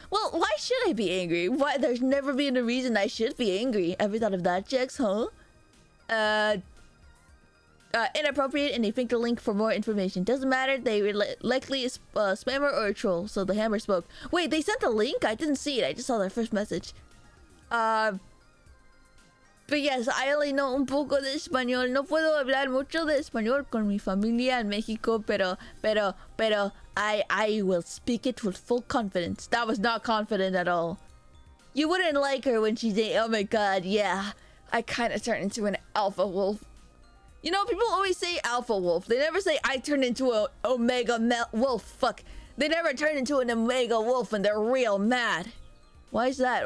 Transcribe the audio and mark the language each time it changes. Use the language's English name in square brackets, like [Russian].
[English] Well, why should I be angry? Why? There's never been a reason I should be angry. Ever thought of that, Jax, huh? Inappropriate, and they think the link for more information. Doesn't matter, they were likely a spammer or a troll, so the hammer spoke. Wait, they sent the link? I didn't see it, I just saw their first message. But yes, I only know [Spanish] un poco de español. No puedo hablar mucho de español con mi familia en México, pero [English] I will speak it with full confidence. That was not confident at all. You wouldn't like her when she's oh my God, yeah. I kind of turned into an alpha wolf. You know, people always say alpha wolf. They never say I turn into a omega wolf. Fuck. They never turn into an omega wolf when they're real mad. Why is that?